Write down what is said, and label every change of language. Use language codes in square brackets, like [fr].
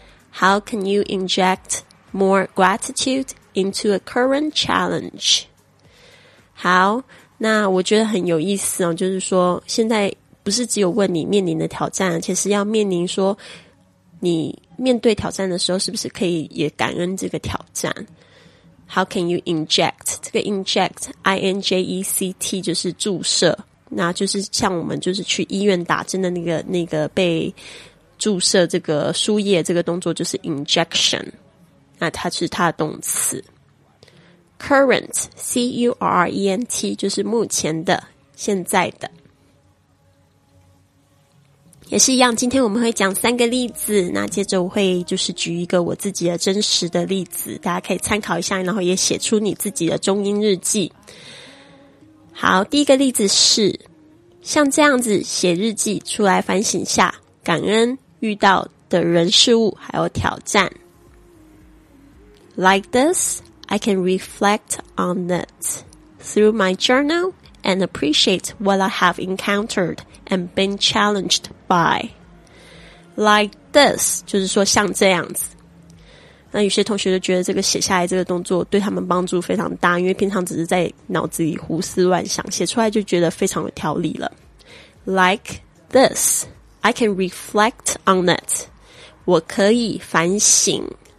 [en] How can you inject more gratitude into a current challenge? [zh] 好，那我觉得很有意思哦，就是说现在不是只有问你面临的挑战，其实要面临说你面对挑战的时候是不是可以也感恩这个挑战。 [en] How can you inject [zh] 这个 inject I-N-J-E-C-T 就是注射，那就是像我们就是去医院打针的那个被注射这个输液这个动作就是 injection， 那它是它的动词。 current C-U-R-E-N-T 就是目前的现在的，也是一样，今天我们会讲三个例子，那接着我会就是举一个我自己的真实的例子，大家可以参考一下，然后也写出你自己的中英日记。好，第一个例子是，像这样子写日记出来反省下感恩遇到的人事物还有挑战。 [en] Like this, I can reflect on it through my journal and appreciate what I have encountered and been challengedby. Like this [zh] 就是说像这样子，那有些同学就觉得这个写下来这个动作对他们帮助非常大，因为平常只是在脑子里胡思乱想，写出来就觉得非常有条理了。 [en] Like this I can reflect on it， [zh] 我可以反省。